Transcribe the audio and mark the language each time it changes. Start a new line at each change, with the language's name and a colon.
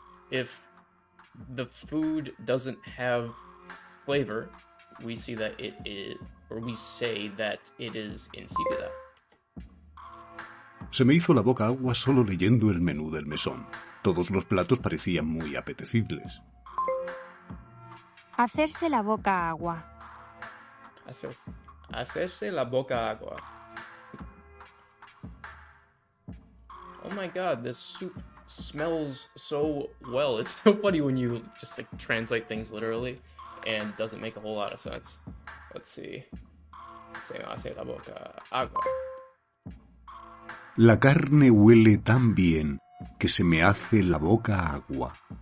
English: If the food doesn't have flavor, we see that it is, or we say that it is insípida.
Spanish: Se me hizo la boca agua solo leyendo el menú del mesón. Todos los platos parecían muy apetecibles. Hacerse la boca agua. Hacerse la boca agua.
English: Oh my god, this soup smells so well. It's so funny when you just like translate things literally and doesn't make a whole lot of sense. Let's see.
Spanish: Se me hace la boca agua. La carne huele tan bien que se me hace la boca agua.